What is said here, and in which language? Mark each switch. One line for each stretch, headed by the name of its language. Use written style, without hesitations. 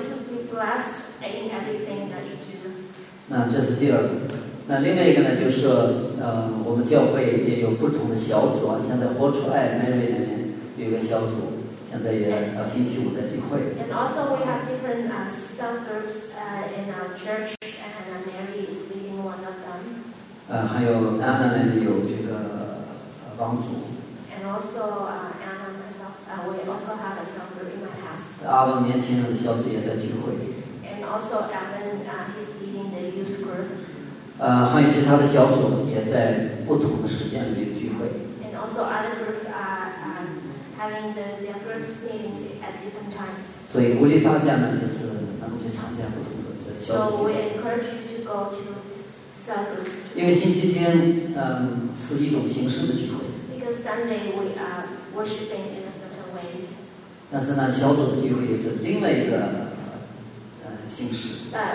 English: be blessed in everything that you do.
Chinese: 那这是第二个。那另外一个呢，就是我们教会也有不同的小组啊。现在活出爱 Mary 里面有一个小组，现在也要星期五在聚会。
English: And also we have different cell groups in our church, and Mary is leading one of them.
Chinese: 还有 Anna 那里有这个帮助。
English: And also Anna myself, we also have a cell group in my house.
Chinese: 阿文年轻人的小组也在聚会。
English: And also Evan, he's leading the youth group.
Chinese: 还有其他的小组也在不同的时间里聚会。
English: And also other groups are having their groups meetings at different times.
Chinese: 所以鼓励大家呢，就是能够去参加不同的小组。
English: So we encourage you to go to cell groups.
Chinese: 因为星期天，是一种形式的聚会。
English: Because Sunday we are worshiping in a certain way.
Chinese: 但是呢，小组的聚会也是另外一个形式。